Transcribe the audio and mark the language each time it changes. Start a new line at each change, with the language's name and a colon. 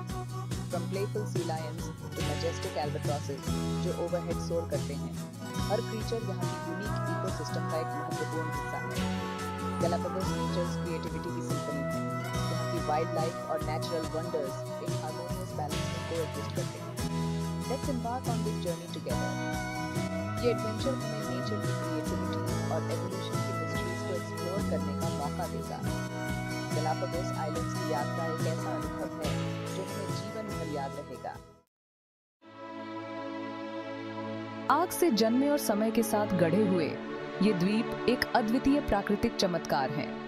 English: From playful sea lions to majestic albatrosses,
Hindi: जो overhead सोर करते हैं, हर क्रीचर यहाँ के यूनिक इकोसिस्टम का एक महत्वपूर्ण हिस्सा है। गैलापागोस नेचर्स क्रिएटिविटी की सिंफनी है, जहाँ की वाइल्ड लाइफ और नेचुरल वंडर्स एक हार्मोनियस बैलेंस में कोएग्जिस्ट करते हैं।
English: Let's embark on this journey together.
Hindi: ये adventure हमें nature की creativity और evolution की mysteries को explore करने का मौका देगा। गैलापागोस आइलैंड्स की यात्रा एक ऐसा अनुभव है जो हमें जीवन भर याद रहेगा। आग से जन्मे और समय के साथ गढ़े हुए ये द्वीप एक अद्वितीय प्राकृतिक चमत्कार है।